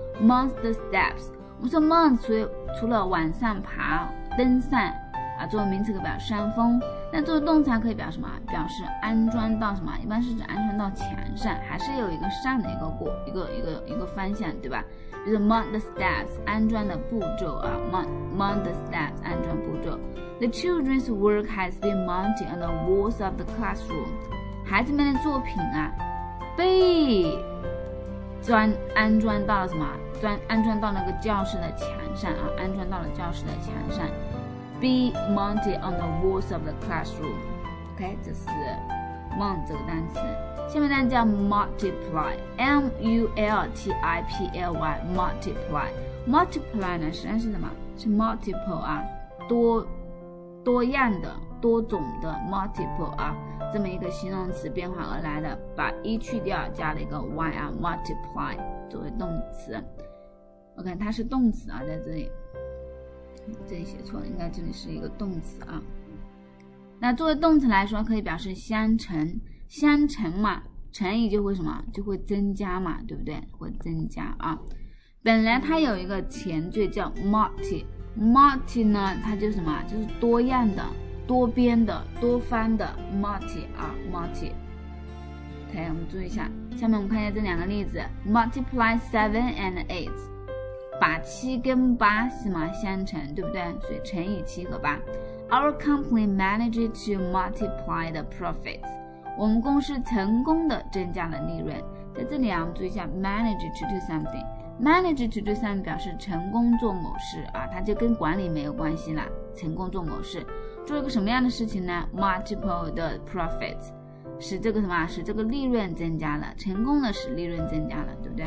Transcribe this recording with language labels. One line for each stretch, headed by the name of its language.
English: mount the steps，
Chinese: 我们说 mount 除了往上爬登上啊，作为名词可以表示山峰，那作为动词可以表示什么？表示安装到什么，一般是指安装到墙上，还是有一个上的一个过一个方向，对吧？就是
English: mount the steps，
Chinese: 安装的步骤啊， mount the steps， 安装步骤。
English: The children's work has been mounted on the walls of the classroom，
Chinese: 孩子们的作品啊被安装到了什么？安装到那个教室的墙上啊，安装到了教室的墙上。
English: Be mounted on the walls of the classroom.
Chinese: OK， 这是 mount 这个单词。下面单词叫 multiply， M-U-L-T-I-P-L-Y， multiply， multiply 呢实际上是什么？是 multiple 啊，多样的、多种的 multiple 啊。这么一个形容词变化而来的，把一去掉加了一个 y 啊， multiply 作为动词。 OK， 它是动词啊，在这里写错了，应该这里是一个动词啊。那作为动词来说可以表示相乘嘛，乘以就会什么，就会增加嘛，对不对？会增加啊。本来它有一个前缀叫 multi， multi 呢它就什么，就是多样的、多边的、多方的 multi 啊 ，multi。OK， 我们注意一下。下面我们看一下这两个例子 ：
English: multiply 7 and 8，
Chinese: 把7跟8是吗？相乘，对不对？所以乘以7和8。
English: Our company managed to multiply the profits。
Chinese: 我们公司成功的增加了利润。在这里啊，我们注意一下 ，
English: manage to do something。 manage to do something
Chinese: 表示成功做某事啊，它就跟管理没有关系了。成功做某事。做一个什么样的事情呢？
English: multiple the profits，
Chinese: 使这个什么，使这个利润增加了，成功的使利润增加了，对不对？